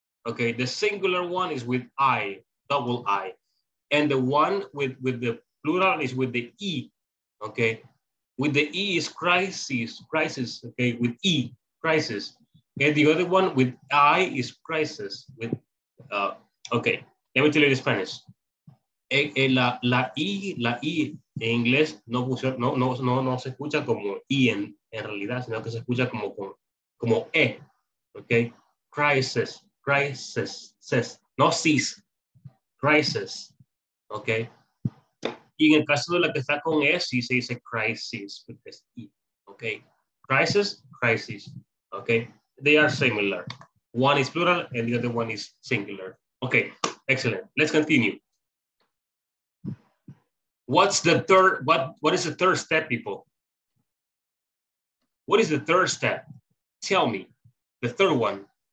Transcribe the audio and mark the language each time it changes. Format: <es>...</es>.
<en>Okay, the singular one is with I, double I. And the one with the plural is with the E, okay? With the E is crisis, okay? With E, crisis. And the other one with I is crisis, with, okay. Let me tell you in Spanish.</en> <es>La I en inglés no se escucha como I en realidad, sino que se escucha como E, okay? Crisis.</es> <en>Crisis, no cis, crisis, okay?</en> <es>Y en el caso de la que está con S, sí se dice crisis, porque es E, okay?</es> <en>Crisis, okay? They are similar. One is plural and the other one is singular. Okay, excellent. Let's continue. What is the third step, people? What is the third step? Tell me, the third one.</en>